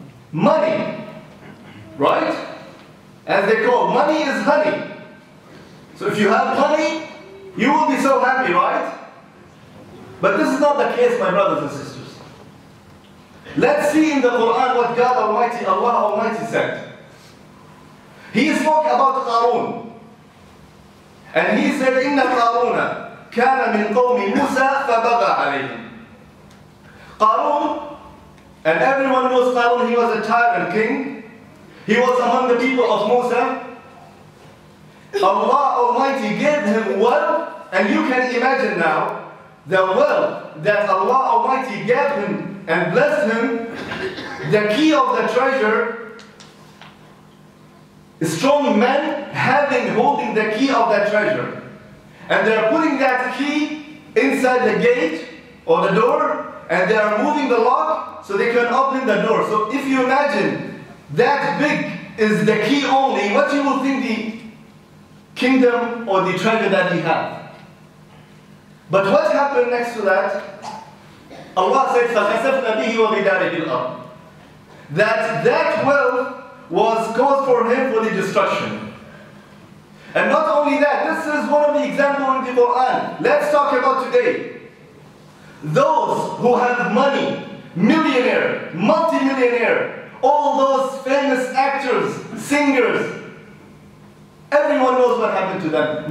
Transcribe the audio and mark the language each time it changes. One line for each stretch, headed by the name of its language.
English: Money, right? As they call, money is honey. So if you have money, you will be so happy, right? But this is not the case, my brothers and sisters. Let's see in the Quran what God Almighty, Allah Almighty said. He spoke about Qarun. And he said,
Arabic: إِنَّ قَارُونَ كَانَ مِنْ قَوْمِ مُوسَى فَبَغَى عَلَيْهِمْ.
English: Qarun, and everyone knows Qarun, he was a tyrant king. He was among the people of Musa. Allah Almighty gave him wealth, and you can imagine now, the wealth that Allah Almighty gave him and blessed him, the key of the treasure, strong men holding the key of that treasure. And they are putting that key inside the gate or the door, and they are moving the lock so they can open the door. So if you imagine that big is the key only, what you will think the kingdom or the treasure that he have? But what happened next to that? Allah said,
Arabic: فَخَسَفْنَا بِهِ وَبِدَارِهِ الْأَرْضِ.
English: That wealth was caused for him for the destruction. And not only that, this is one of the examples in the Quran. Let's talk about today. Those who have money millionaire, multi-millionaire, all those famous actors, singers, everyone knows what happened to them.